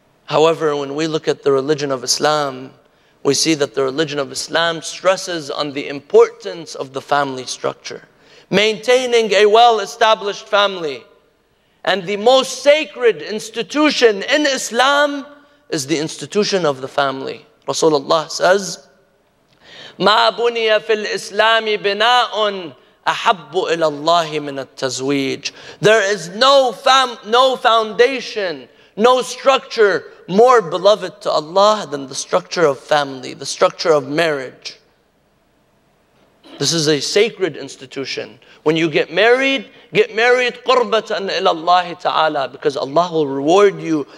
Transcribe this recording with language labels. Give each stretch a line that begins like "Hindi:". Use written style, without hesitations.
English: However, when we look at the religion of Islam, we see that the religion of Islam stresses on the importance of the family structure, maintaining a well-established family. And the most sacred institution in Islam is the institution of the family. Rasulullah says,
Arabic: مَا بُنِيَ فِي الْإِسْلَامِ بِنَاءٌ أَحَبُّ إِلَى اللَّهِ مِنَ التَّزْوِيجِ.
English: There is no foundation, no structure more beloved to Allah than the structure of family, the structure of marriage. This is a sacred institution. When you get married
Arabic: قُرْبَةً إِلَى اللَّهِ تَعَالَى,
English: because Allah will reward you.